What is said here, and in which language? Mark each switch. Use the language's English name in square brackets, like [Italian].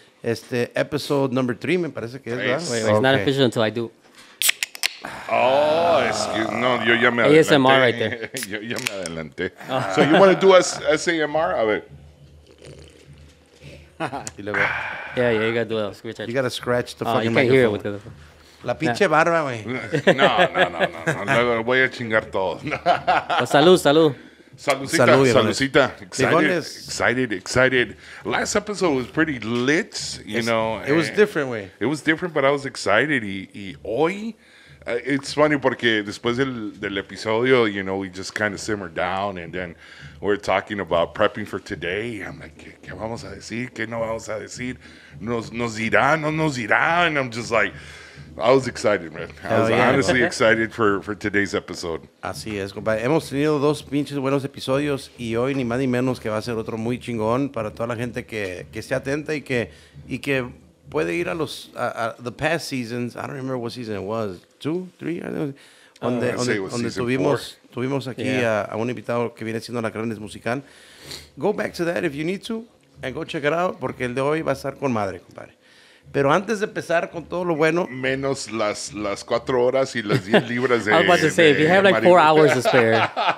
[Spanish] Este, episode number three, me parece que es, ¿verdad? [English] Wait, wait, it's okay. Not official until I do. [Spanish] Oh, excuse, no, yo ya me adelanté. [English] ASMR right there. [Spanish] Yo ya me adelanté. [English] So you want to do ASMR? [Spanish] A ver. Y luego... [English] Yeah, yeah, you gotta do a little scratch. You gotta scratch the fucking microphone. You can't microphone. Hear it with the... [Spanish] La pinche barba, güey. No. Voy a chingar todo. Pues salud, salud. Saludcita, salud, saludcita. [English] Excited. Last episode was pretty lit, you know. It was different, way. It was different, but I was excited. [Spanish] Y hoy, [English] it's funny [Spanish] porque después del episodio, [English] you know, we just kind of simmered down and then... We're talking about prepping for today. I'm like, [Spanish] ¿qué vamos a decir? ¿Qué no vamos a decir? ¿Nos dirá? ¿No nos dirá? [English] And I'm just like, I was excited, man. I was honestly excited for today's episode. [Spanish] Así es, compadre. Hemos tenido dos pinches buenos episodios y hoy ni más ni menos que va a ser otro muy chingón para toda la gente que esté atenta y que puede ir a los [English] the past seasons. I don't remember what season it was. Two, three? [Spanish] Tuvimos aquí a un invitado que viene siendo La Grandes Musical. [English] Go back to that if you need to and go check it out [Spanish] porque el de hoy va a estar con madre, compadre. Pero antes de empezar con todo lo bueno... Menos las 4 horas y las 10 libras de... [English] I was about to say, if you have like 4 hours to spare,